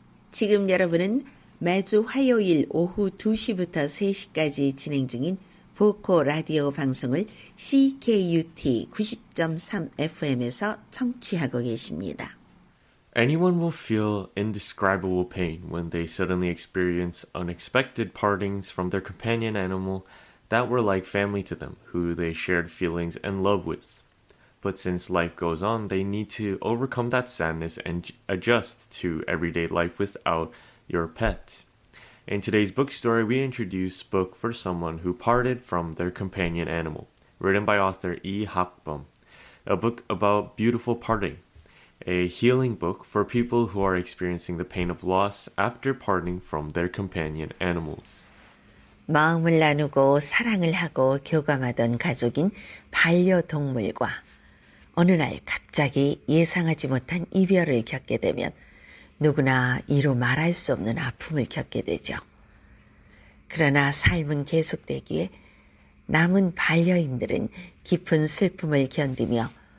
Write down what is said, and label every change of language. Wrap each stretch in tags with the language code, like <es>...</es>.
<ko>지금 여러분은 매주 화요일 오후 2시부터 3시까지 진행 중인 보코 라디오 방송을 CKUT 90.3 FM에서 청취하고 계십니다.</ko> <en>Anyone will feel indescribable pain when they suddenly experience unexpected partings from their companion animal that were like family to them, who they shared feelings and love with. But since life goes on, they need to overcome that sadness and adjust to everyday life without your pet. In today's book story, we introduce Book for Someone Who Parted from Their Companion Animal, written by author Lee Hak-bum, a book about beautiful parting, a healing book for people who are experiencing the pain of loss after parting from their companion animals.</en> <ko>마음을 나누고 사랑을 하고 교감하던 가족인 반려동물과 어느 날 갑자기 예상하지 못한 이별을 겪게 되면 누구나 이루 말할 수 없는 아픔을 겪게 되죠. 그러나 삶은 계속되기에 남은 반려인들은 깊은 슬픔을 견디며</ko>